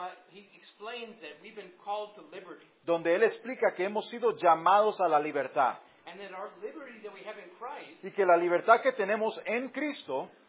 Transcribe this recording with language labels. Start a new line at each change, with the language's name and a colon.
English: He explains that we've been called to liberty.
Spanish: Donde él explica que hemos sido llamados a la libertad.
English: And that our liberty that we have in Christ,
Spanish: y que la libertad que tenemos en Cristo,